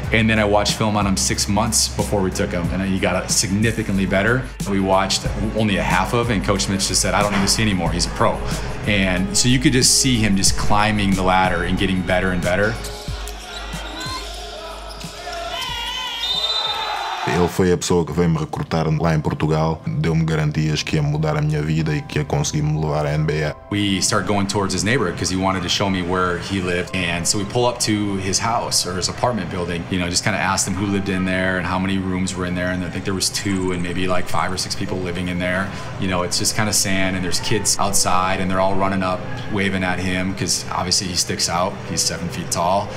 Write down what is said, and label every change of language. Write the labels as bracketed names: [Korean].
[English] And then I watched film on him 6 months before we took him, and he got significantly better. We watched only a half of, and Coach Mitch just said, I don't need to see anymore, he's a pro. And so you could just see him just climbing the ladder and getting better and better. He [Portuguese] Ele foi a pessoa que veio me recrutar lá em Portugal, deu-me garantias que ia mudar a minha vida e que ia conseguir me levar à NBA. [English] We start going towards his neighborhood because he wanted to show me where he lived, and so we pull up to his house or his apartment building. You know, just kind of asked him who lived in there and how many rooms were in there, and I think there was two and maybe like five or six people living in there. You know, it's just kind of sand, and there's kids outside, and they're all running up, waving at him because obviously he sticks out. He's 7 feet tall.